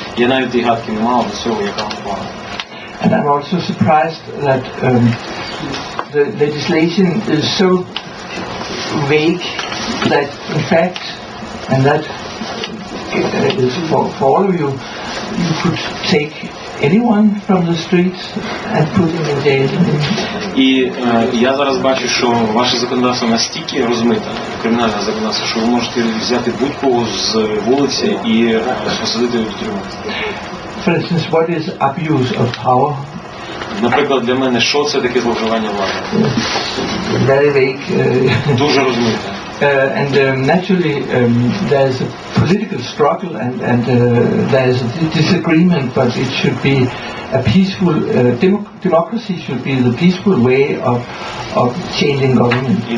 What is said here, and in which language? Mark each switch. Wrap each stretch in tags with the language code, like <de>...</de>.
<uk>Я навіть і гадки не мала до цього, яка вона погана.</uk> <en>And I'm also surprised that the legislation is so vague that in fact, and that is for all of you, you could take anyone from the streets and put him in jail.</en> <uk>І я зараз бачу, що ваше законодавство настільки розмите, кримінальне законодавство, що ви можете взяти будь-кого з вулиці і посадити до тюрми.</uk> <en>For instance, what is abuse of power?</en> <uk>Наприклад, для мене, що це таке зловживання влади?</uk> <en>Very vague.</en> <uk>Дуже розмите.</uk> <en>And naturally there is a political struggle and there is a disagreement, but it should be a peaceful democracy should be the peaceful way of changing government.</en>